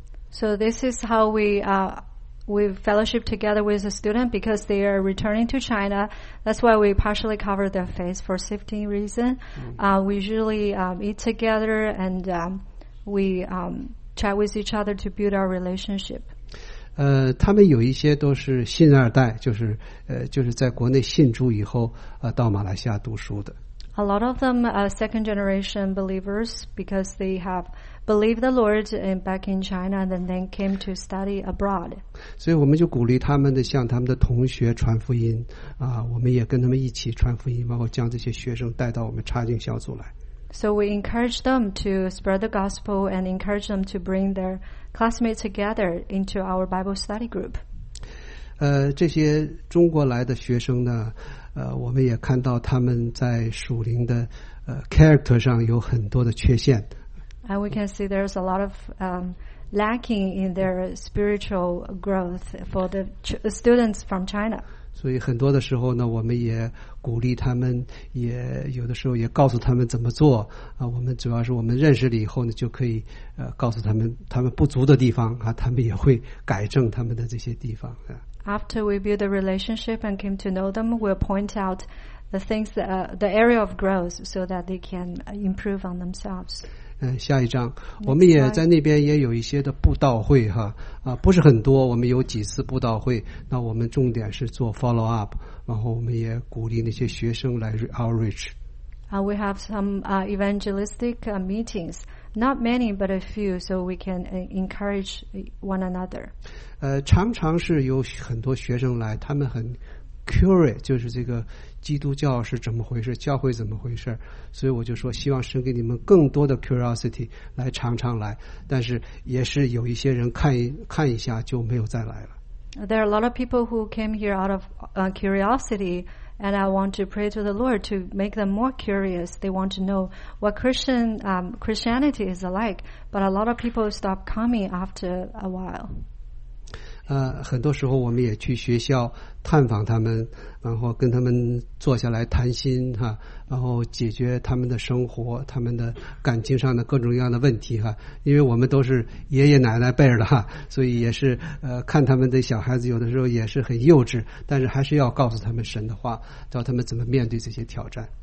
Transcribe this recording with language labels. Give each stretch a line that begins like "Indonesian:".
English: So this is how we fellowship together with the student because they are returning to China. That's why we partially cover their face for safety reason. We usually eat together and we chat with each other to build our relationship.
Chinese: 他们有一些都是新二代，就是在国内信主以后到马来西亚读书的。
English: A lot of them are second generation believers because they have believed the Lord back in China and then came to study abroad.
Chinese: 所以我们就鼓励他们的向他们的同学传福音啊，我们也跟他们一起传福音，包括将这些学生带到我们查经小组来。
English: So we encourage them to spread the gospel and encourage them to bring their classmates together into our Bible study group.
Chinese: 这些中国来的学生呢，我们也看到他们在属灵的character 上有很多的缺陷。
English: And we can see there's a lot of lacking in their spiritual growth for the students from China.
Chinese: 所以很多的时候呢，我们也鼓励他们，也有的时候也告诉他们怎么做啊。我们主要是我们认识了以后呢，就可以告诉他们他们不足的地方啊，他们也会改正他们的这些地方啊。
English: After we build a relationship and came to know them, we'll point out the things, the area of growth, so that they can improve on themselves.
Chinese: 下一章，我们也在那边也有一些的布道会哈，不是很多，我们有几次布道会，那我们重点是做 follow up， 然后我们也鼓励那些学生来 outreach.
English: We have some evangelistic meetings. Not many, but a few, so we can encourage one another.
Chinese: 常常是有很多学生来，他们很 curious， 就是这个基督教是怎么回事，教会怎么回事。所以我就说，希望神给你们更多的 curiosity， 来常常来。但是也是有一些人看一下就没有再来了。
English: There are a lot of people who came here out of curiosity. And I want to pray to the Lord to make them more curious. They want to know what Christianity is like. But a lot of people stop coming after a while.
Chinese: 很多时候我们也去学校探访他们，然后跟他们坐下来谈心哈，然后解决他们的生活、他们的感情上的各种各样的问题哈。因为我们都是爷爷奶奶辈儿的哈，所以也是看他们的小孩子有的时候也是很幼稚，但是还是要告诉他们神的话，教他们怎么面对这些挑战。